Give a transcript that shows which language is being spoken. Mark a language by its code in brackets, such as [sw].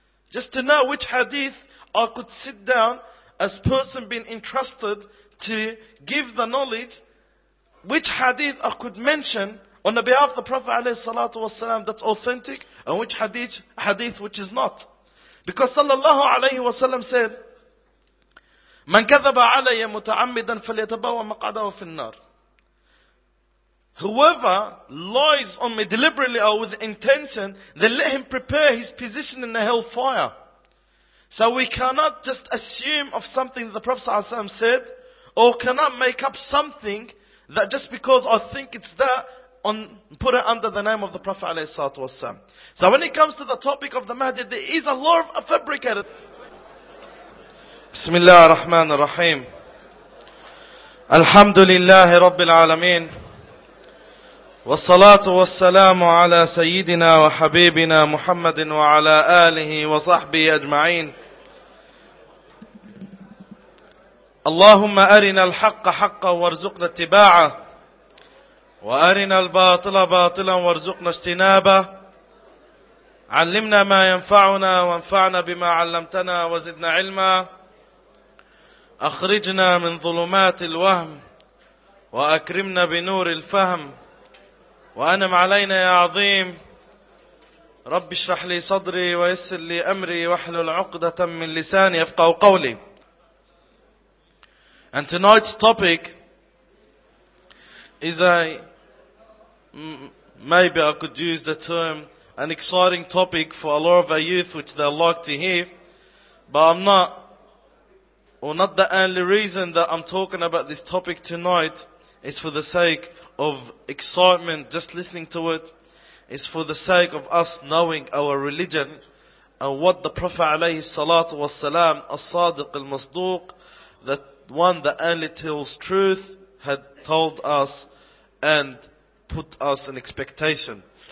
[en] Just to know which hadith I could sit down as person being entrusted to give the knowledge, which hadith I could mention on the behalf of the Prophet alayhi salatu wasalam that's authentic, and which hadith which is not. Because sallallahu alayhi wasalam said, [ar] من كذب علي متعمدا فليتبوأ مقعده في النار. [en] Whoever lies on me deliberately or with intention, then let him prepare his position in the hellfire. So we cannot just assume of something the Prophet ﷺ said, or cannot make up something that just because I think it's that, put it under the name of the Prophet ﷺ. So when it comes to the topic of the Mahdi, there is a lot of fabricated. [ar] بسم الله الرحمن الرحيم الحمد لله رب العالمين والصلاة والسلام على سيدنا وحبيبنا محمد وعلى آله وصحبه أجمعين اللهم أرنا الحق حقا وارزقنا اتباعه وأرنا الباطل باطلا وارزقنا اجتنابه علمنا ما ينفعنا وانفعنا بما علمتنا وزدنا علما أخرجنا من ظلمات الوهم وأكرمنا بنور الفهم وأنعم علينا يا عظيم رب اشرح لي صدري ويسر لي أمري واحلل عقدة من لساني يفقهوا قولي. [en] And tonight's topic is a, maybe I could use the term, an exciting topic for a lot of our youth which they like to hear, but I'm not, or not the only reason that I'm talking about this topic tonight is for the sake of excitement, just listening to it, is for the sake of us knowing our religion, and what the Prophet alayhi salatu wasalam, as-sadiq al-masduq, that one that only tells truth, had told us and put us in expectation.